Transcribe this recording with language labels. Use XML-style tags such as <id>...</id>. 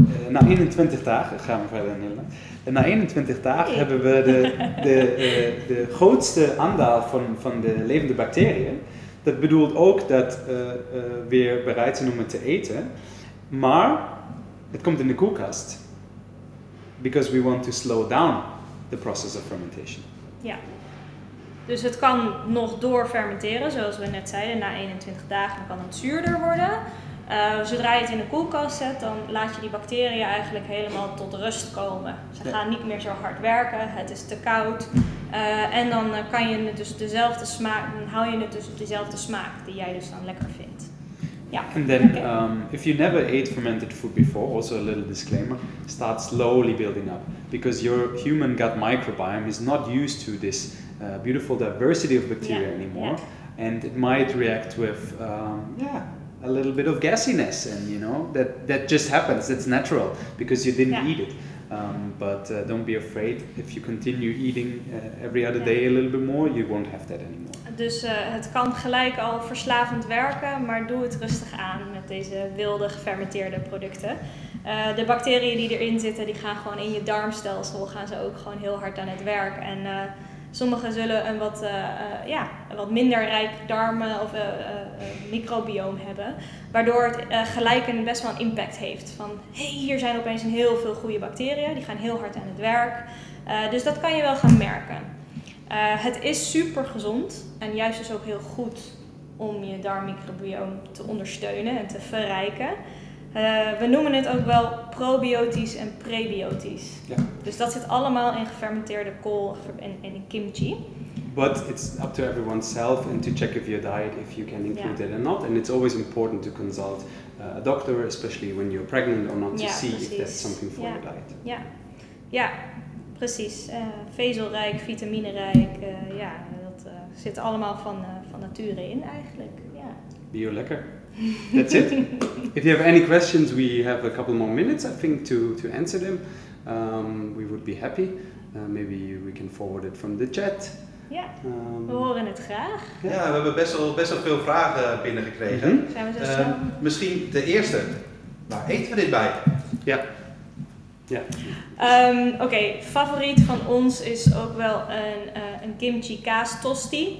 <nl>Na 21 dagen, gaan we verder in Nederland. Na 21 dagen hebben we de grootste aandeel van de levende bacteriën. Dat bedoelt ook dat weer bereid zijn om het te eten. Maar het komt in de koelkast.</nl> <en>Because we want to slow down the process of fermentation.</en> <nl>Ja. Dus het kan nog door fermenteren, zoals we net zeiden. Na 21 dagen kan het zuurder worden. Zodra je het in de koelkast zet, dan laat je die bacteriën eigenlijk helemaal tot rust komen. Ze gaan niet meer zo hard werken, het is te koud. En dan kan je het dus dezelfde smaak, dan hou je het dus op dezelfde smaak die jij dus dan lekker vindt. Ja.</nl> <en>And then, if you never ate fermented food before, also a little disclaimer, start slowly building up. Because your human gut microbiome is not used to this beautiful diversity of bacteria anymore. Yeah. And it might react with, a little bit of gassiness, and you know that just happens. It's natural because you didn't eat it. But don't be afraid. If you continue eating every other day a little bit more, you won't have that anymore.</en> <nl>Dus het kan gelijk al verslavend werken, maar doe het rustig aan met deze wilde gefermenteerde producten. De bacteriën die erin zitten, die gaan gewoon in je darmstelsel. Gaan ze ook gewoon heel hard aan het werk en. Sommigen zullen een wat, een wat minder rijk darmen of microbioom hebben. Waardoor het gelijk een best wel een impact heeft. Van, hier zijn opeens een heel veel goede bacteriën. Die gaan heel hard aan het werk. Dus dat kan je wel gaan merken. Het is super gezond. En juist dus ook heel goed om je darmmicrobioom te ondersteunen en te verrijken. We noemen het ook wel probiotisch en prebiotisch. Ja. Dus dat zit allemaal in gefermenteerde kool en in kimchi.</nl> <en>But it's up to everyone's self and to check if your diet, if you can include it or not. And it's always important to consult a doctor, especially when you're pregnant or not, to see</en> <nl>precies.</nl> <en>If there's something for your diet.</en> <nl>Ja, ja precies. Vezelrijk, vitaminerijk, dat zit allemaal van nature in eigenlijk. Ja. Bio lekker.</nl> <en>That's it. If you have any questions, we have a couple more minutes, I think, to answer them. We would be happy. Maybe we can forward it from the chat.</en> <nl>We horen het graag. Ja, we hebben best wel veel vragen binnengekregen. Mm-hmm. Zijn we zo snel? Misschien de eerste. Waar eten we dit bij? Ja. Oké, favoriet van ons is ook wel een kimchi kaas tosti.</nl>